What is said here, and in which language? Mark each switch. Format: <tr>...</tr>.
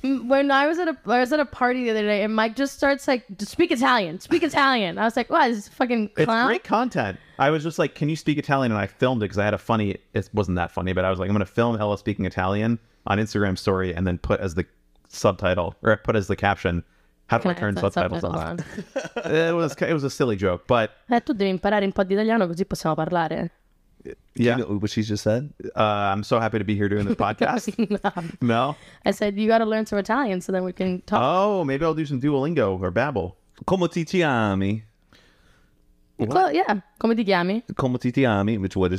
<en>When I was at a party the other day, and Mike just starts like, speak Italian. I was like, wow, this is fucking clown. It's great content. I was just like, can you speak Italian? And I filmed it because I had a funny, it wasn't that funny, but I was like, I'm going to film Ella speaking Italian on Instagram story and then put as the subtitle or put as the caption. How do I turn subtitles on? It was a silly joke, but.</en> <it>Tu devi imparare un po' di italiano così possiamo parlare.</it> <en>Yeah. Do you know what she just said? I'm so happy to be here doing this podcast. No. I said, you got to learn some Italian so then we can talk. Oh, maybe I'll do some Duolingo or Babbel.</en> <it>Come ti chiami? Yeah. Come ti chiami? Come ti chiami,</it> <en>which what is</en>